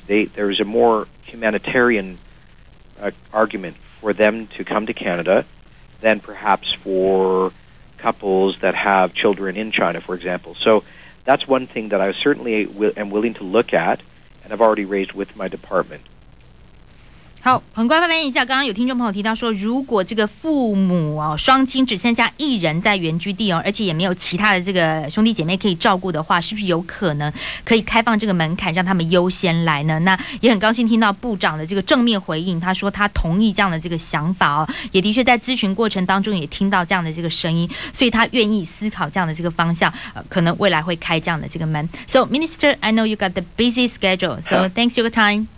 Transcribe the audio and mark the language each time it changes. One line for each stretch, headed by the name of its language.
English: There is a more humanitarian argument for them to come to Canada than perhaps for couples that have children in China, for example. So that's one thing that I certainly am willing to look at and I've already raised with my department.
Chinese: 好，很快发言一下，刚刚有听众朋友提到说，如果这个父母啊双亲只剩下一人在原居地哦，而且也没有其他的这个兄弟姐妹可以照顾的话，是不是有可能可以开放这个门槛，让他们优先来呢？那也很高兴听到部长的这个正面回应，他说他同意这样的这个想法哦，也的确在咨询过程当中也听到这样的这个声音，所以他愿意思考这样的这个方向，可能未来会开这样的这个门。
English: So Minister, I know you got the busy schedule, so thanks your time.